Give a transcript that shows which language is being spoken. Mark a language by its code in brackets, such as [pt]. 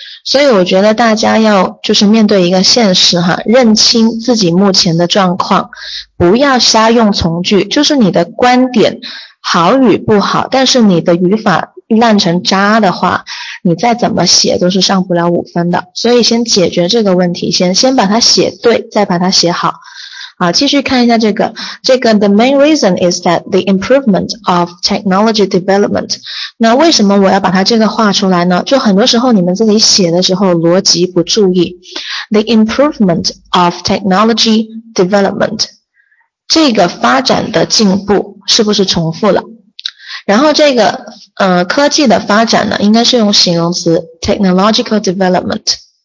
[zh] 所以我觉得大家要就是面对一个现实哈，认清自己目前的状况，不要瞎用从句，就是你的观点好与不好，但是你的语法烂成渣的话，你再怎么写都是上不了五分的。所以先解决这个问题，先把它写对，再把它写好。好，继续看一下这个。这个 [en] the main reason is that the improvement of technology development. [zh] 那为什么我要把它这个画出来呢？就很多时候你们自己写的时候逻辑不注意。 [en] The improvement of technology development. [zh] 这个发展的进步是不是重复了？然后这个科技的发展呢，应该是用形容词 technological development。